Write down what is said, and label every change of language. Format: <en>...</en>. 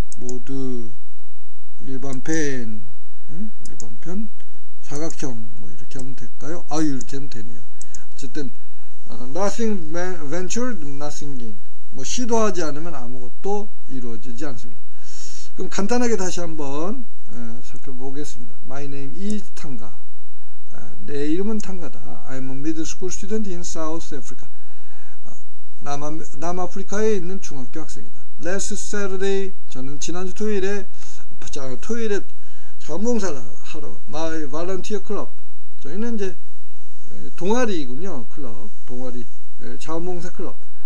<ko>모두 일반 펜, 일반 펜, 사각형 뭐 이렇게 하면 될까요? 아, 이렇게 하면 되네요. 어쨌든</ko> <en>nothing ventured, nothing gained.</en> <ko>뭐 시도하지 않으면 아무것도 이루어지지 않습니다. 그럼 간단하게 다시 한번 살펴보겠습니다.</ko> <en>My name is Tanga.</en> <ko>내 이름은 Tanga다.</ko> <en>I'm a middle school student in South Africa.</en> <ko>남아프리카에 있는 중학교 학생이다.</ko> <en>Last Saturday,</en> <ko>저는 지난주 토요일에 토요일에 자원봉사를 하러</ko> <en>My volunteer club.</en> <ko>저희는 이제 동아리군요. 클럽. 동아리. 자원봉사 클럽.</ko>